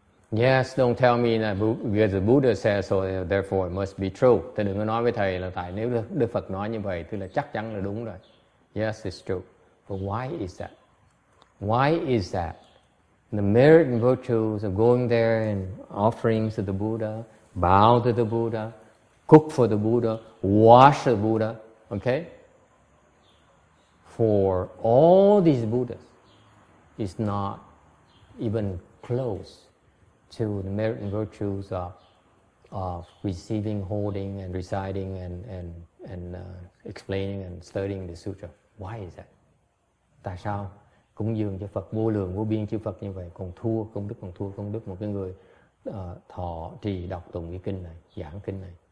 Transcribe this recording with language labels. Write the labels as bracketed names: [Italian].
[English] Yes, don't tell me that because the Buddha says so, therefore it must be true. [Vietnamese] Thì đừng có nói với thầy là tại nếu Đức Phật nói như vậy, tức là chắc chắn là đúng rồi. [English] Yes, it's true. But why is that? Why is that? The merit and virtues of going there and offerings to the Buddha, bow to the Buddha, cook for the Buddha, wash the Buddha, okay? For all these Buddhas, is not even close to the merit and virtues of receiving, holding, and reciting, and explaining and studying the sutra. Why is that? [Vietnamese] Tại sao cúng dường cho Phật vô lượng vô biên chư Phật như vậy còn thua công đức một cái người thọ trì đọc tụng cái kinh này, giảng kinh này.